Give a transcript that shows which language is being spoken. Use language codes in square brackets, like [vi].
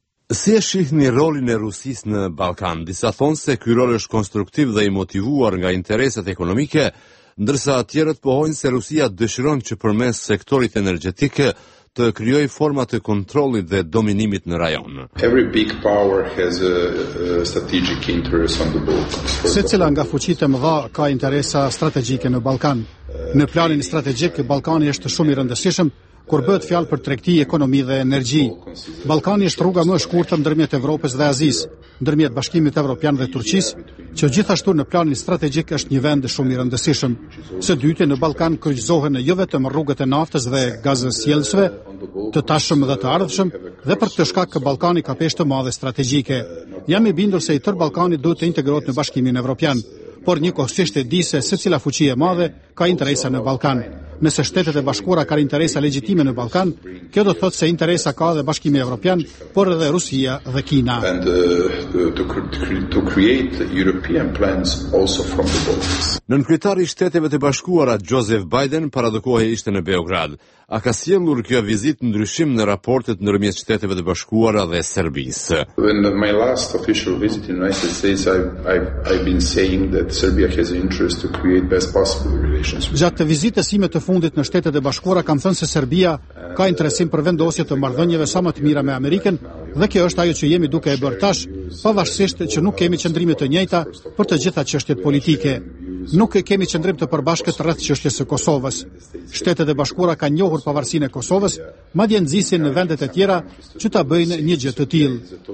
[sq] Si e shihni rolin e Rusisë në Ballkan? Disa thonë se ky rol është konstruktiv dhe i motivuar nga interesat ekonomike, ndërsa tjerët pohojnë se Rusia dëshiron që përmes sektorit energjetik të krijoj forma të kontrollit dhe dominimit në rajon. [en] Every big power has a strategic interest on the Balkans. [sq] Secila nga fuqitë më dha ka interesa strategjike në Ballkan. Në planin strategjik Ballkani është shumë i rëndësishëm kur bëhet fjalë për tregti, ekonomi dhe energji. Ballkani është rruga më e shkurtër ndërmjet Evropës dhe Azisë, ndërmjet Bashkimit Evropian dhe Turqisë, që gjithashtu në planin strategjik është një vend shumë i rëndësishëm. Së dyti, në Ballkan kryqëzohen jo vetëm rrugët e naftës dhe gazës sjellësve, të tashëm dhe të ardhshëm, dhe për këtë shkak që Ballkani ka peshë të madhe strategjike. Jam i bindur se i tërë Ballkani duhet të integrohet në Bashkimin Evropian, por njëkohësisht e di se secila fuqi e madhe ka interesa në Ballkan. Nëse Shtetet e Bashkuara kanë interesa legjitime në Ballkan, kjo do thotë se interesa ka edhe Bashkimi Evropian, por edhe Rusia dhe Kina. [en] And to create European plans also from the Balkans. [sq] Nënkryetari i Shteteve të Bashkuara Joseph Biden paradokohej ishte në Beograd. a ka sjellur kjo vizit ndryshim në raportet ndërmjet Shteteve të Bashkuara dhe Serbisë? [en] In my last official visit in the United States, I've been saying that Serbia has an interest to create best possible relations. [sq] Gjatë vizitës ime të fundit në Shtetet e Bashkuara kam thënë se Serbia ka interesim për vendosje të marrëdhënieve sa më të mira me Amerikën dhe kjo është ajo që jemi duke e bërë tash, pavarësisht që nuk kemi qëndrime të njëjta për të gjitha çështjet politike. Nuk e kemi qëndrim të përbashkët rreth çështjes së Kosovës. Shtetet e Bashkuara kanë njohur pavarësinë e Kosovës, madje nxisin në vendet e tjera që ta bëjnë një gjë të tillë.